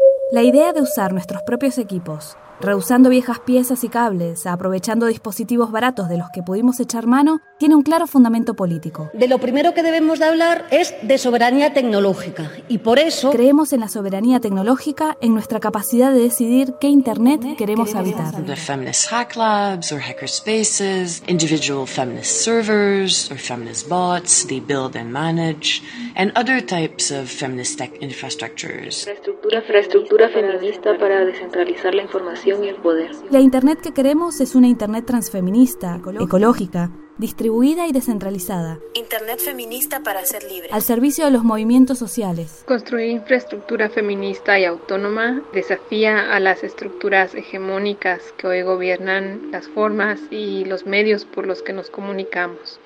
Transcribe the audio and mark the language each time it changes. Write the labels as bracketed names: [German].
[Spanish] La idea de usar nuestros propios equipos, rehusando viejas piezas y cables, aprovechando dispositivos baratos de los que pudimos echar mano, tiene un claro fundamento político. De lo primero que debemos de hablar es de soberanía tecnológica. Y por eso creemos en la soberanía tecnológica, en nuestra capacidad de decidir qué internet queremos habitar. [English] The feminist hack labs or hacker spaces, individual feminist servers or feminist bots, they build and manage, and other types of feminist tech infrastructures. [Spanish] Infraestructura feminista para descentralizar la información y el poder. La internet que queremos es una internet transfeminista, ecológica, distribuida y descentralizada. Internet feminista para ser libre. Al servicio de los movimientos sociales. Construir infraestructura feminista y autónoma desafía a las estructuras hegemónicas que hoy gobiernan las formas y los medios por los que nos comunicamos.